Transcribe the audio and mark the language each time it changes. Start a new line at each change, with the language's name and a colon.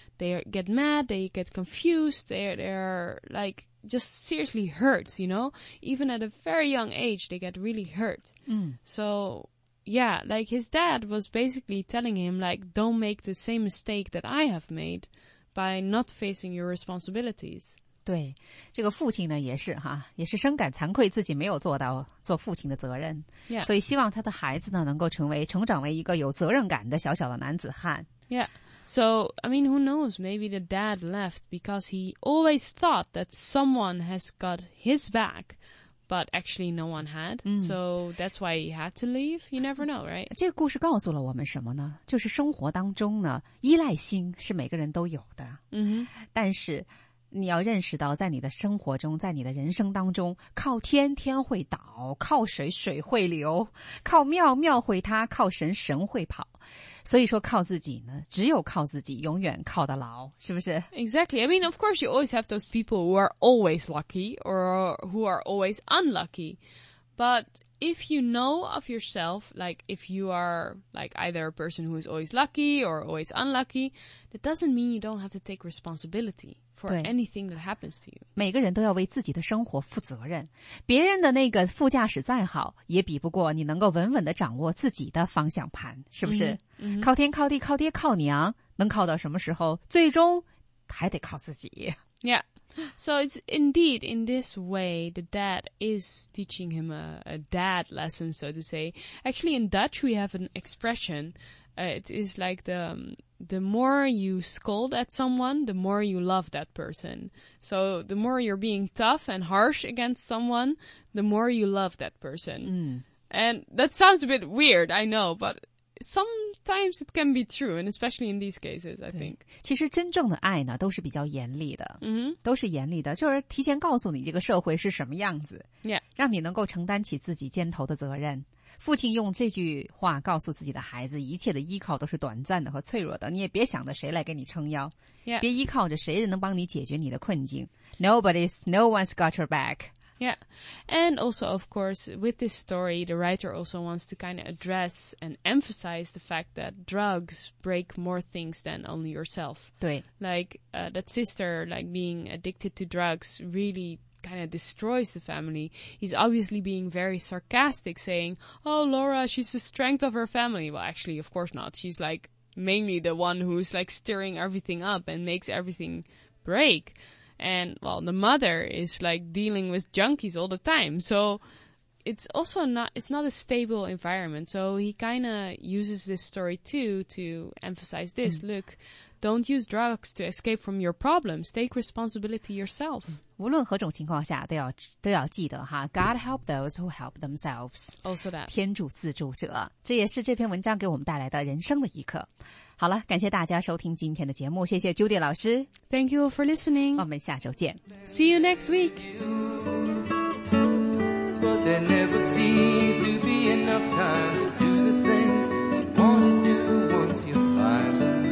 English: They get mad, they get confused, they're like just seriously hurt, you know? Even at a very young age, they get really hurt. So, yeah, like his dad was basically telling him, like, don't make the same mistake that I have made by not facing your responsibilities.
Chinese: 对，这个父亲呢也是哈，也是深感惭愧自己没有做到做父亲的责任，
English: yeah.
Chinese: 所以希望他的孩子呢能够成长为一个有责任感的小小的男子汉。
English: Yeah, so I mean, who knows? Maybe the dad left because he always thought that someone has got his back, but actually no one had. So that's why he had to leave. You never know, right?
Chinese: 这个故事告诉了我们什么呢？就是生活当中呢，依赖心是每个人都有的。但是。你要认识到在你的生活中在你的人生当中靠天天会倒靠水水会流靠庙庙会塌靠神神会跑所以说靠自己呢只有靠自己永远靠得牢是不是
English: Exactly. I mean, of course, you always have those people who are always lucky or who are always unlucky. But if you know of yourself, like if you are like either a person who is always lucky or always unlucky, that doesn't mean you don't have to take responsibility. For anything that happens to you.
Chinese: 每个人都要为自己的生活负责任。别人的那个副驾驶再好也比不过你能够稳稳地掌握自己的方向盘是不是、靠天靠地靠爹靠娘能靠到什么时候最终还得靠自己。
English: Yeah, so it's indeed in this way the dad is teaching him a dad lesson, so to say. Actually, in Dutch we have an expression,it is like the more you scold at someone, the more you love that person. So the more you're being tough and harsh against someone, the more you love that person. And that sounds a bit weird, I know, but sometimes it can be true, and especially in these cases, I think.
Chinese: 其实真正的爱呢都是比较严厉的、 mm-hmm. 都是严厉的就是提前告诉你这个社会是什么样子、
English: yeah.
Chinese: 让你能够承担起自己肩头的责任。父亲用这句话告诉自己的孩子，一切的依靠都是短暂的和脆弱的，你也别想着谁来给你撑腰、
English: yeah.
Chinese: 别依靠着谁能帮你解决你的困境。
English: Nobody's, no one's got your back. Yeah, and also of course with this story the writer also wants to kind of address and emphasize the fact that drugs break more things than only yourself.
Chinese: 对
English: Like、that sister like being addicted to drugs reallykind of destroys the family. He's obviously being very sarcastic, saying, oh, Laura, she's the strength of her family. Well, actually, of course not. She's like mainly the one who's like stirring everything up and makes everything break. And well, the mother is like dealing with junkies all the time. So it's also not a stable environment. So he kind of uses this story too to emphasize this. Look, don't use drugs to escape from your problems. Take responsibility yourself.
Chinese: 无论何种情况下都要记得哈
English: God help those who help themselves. Also that.
Chinese: 天助自助者。这也是这篇文章给我们带来的人生的一课。好了感谢大家收听今天的节目谢谢 Judy 老师。
English: Thank you for listening.
Chinese: 我们下周见。
English: See you next week. But there never seems to be enough time to do the things you want to do once you're five.